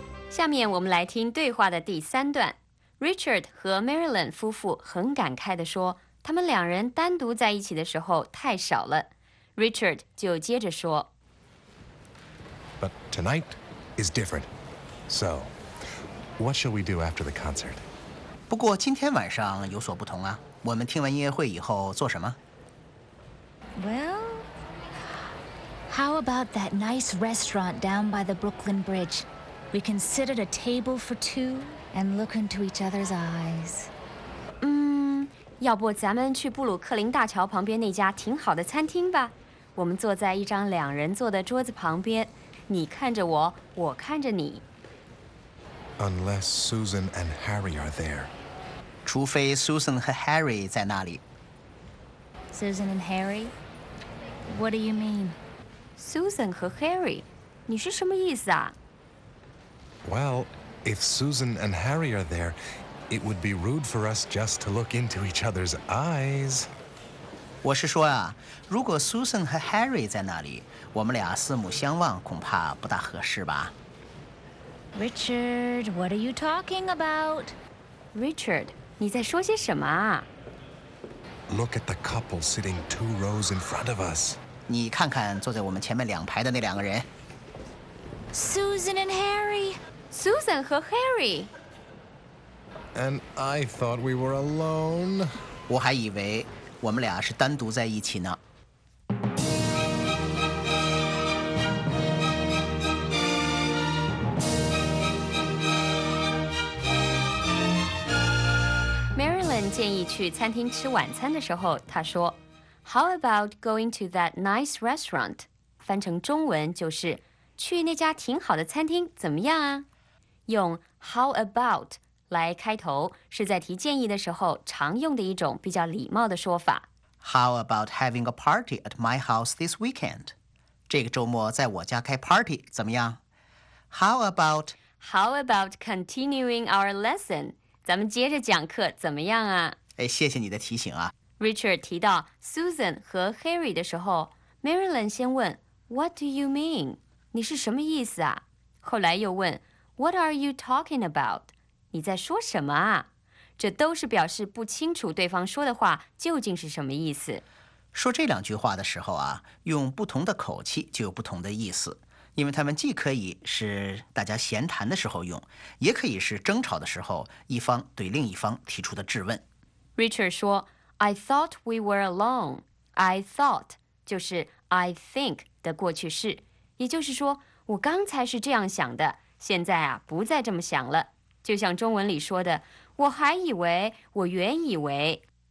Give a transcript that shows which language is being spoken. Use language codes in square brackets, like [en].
[zh] 下面我们来听对话的第三段。Richard 和 Marilyn 夫妇很感慨地说，他们两人单独在一起的时候太少了。 Richard 就接着说， [en] But tonight is different. So, what shall we do after the concert? [zh] 不过今天晚上有所不同啊，我们听完音乐会以后做什么？ [en] Well, how about that nice restaurant down by the Brooklyn Bridge? We can sit at a table for two and look into each other's eyes. [zh] 要不咱们去布鲁克林大桥旁边那家挺好的餐厅吧？我们坐在一张两人坐的桌子旁边，你看着我，我看着你。 [en] Unless Susan and Harry are there. [zh] 除非 Susan 和 Harry 在那里。 [en] Susan and Harry? What do you mean? [zh] Susan 和 Harry? 你是什么意思啊？ [en] Well, if Susan and Harry are there, it would be rude for us just to look into each other's eyes. [zh] 我是说啊，如果 Susan 和 Harry 在那里，我们俩四目相望恐怕不大合适吧。 [en] Richard, what are you talking about? [zh] Richard, 你在说些什么啊？ [en] Look at the couple sitting two rows in front of us. [zh] 你看看坐在我们前面两排的那两个人。 [en] Susan and Harry. [zh] Susan 和 Harry. [en] And I thought we were alone. [zh] 我还以为我们俩是单独在一起呢。 Marilyn 建议去餐厅吃晚餐的时候，她说 [en] How about going to that nice restaurant? [zh] 翻成中文就是去那家挺好的餐厅怎么样啊？用 how about 来开头，是在提建议的时候常用的一种比较礼貌的说法。 [en] How about having a party at my house this weekend? [zh] 这个周末在我家开 party 怎么样？ [en] How about continuing our lesson? [zh] 咱们接着讲课怎么样啊？哎，谢谢你的提醒啊。 Richard 提到 Susan 和 Harry 的时候， Marilyn 先问 [en] What do you mean? [zh] 你是什么意思啊？后来又问 [en] What are you talking about? [zh] 你在说什么啊？这都是表示不清楚对方说的话究竟是什么意思。说这两句话的时候啊，用不同的口气就有不同的意思，因为他们既可以是大家闲谈的时候用，也可以是争吵的时候一方对另一方提出的质问。 [en] Richard 说 I thought we were alone. [zh] I thought 就是 I think 的过去式，也就是说我刚才是这样想的，现在啊不再这么想了。就像中文里说的，我还以为，我原以为。